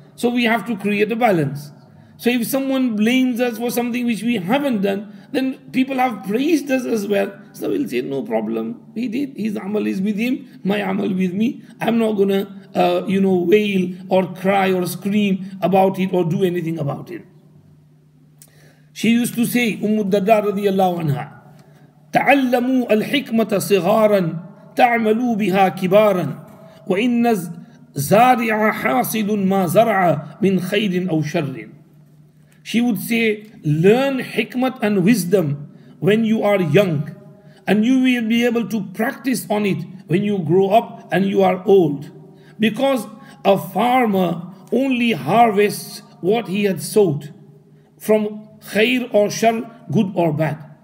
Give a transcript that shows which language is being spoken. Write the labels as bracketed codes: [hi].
[en] So we have to create a balance. So if someone blames us for something which we haven't done, then people have praised us as well. So we'll say, no problem. He did. His amal is with him. My amal with me. I'm not going to, wail or cry or scream about it or do anything about it. She used to say, [ar] Ummu Darda radiallahu anha, تعلموا الحكمة صغارا تعملوا بها كبارا وإن زارع حاصد ما زرع من خير أو شر. [en] She would say, learn hikmat and wisdom when you are young, and you will be able to practice on it when you grow up and you are old. Because a farmer only harvests what he had sowed, from khair or shar, good or bad.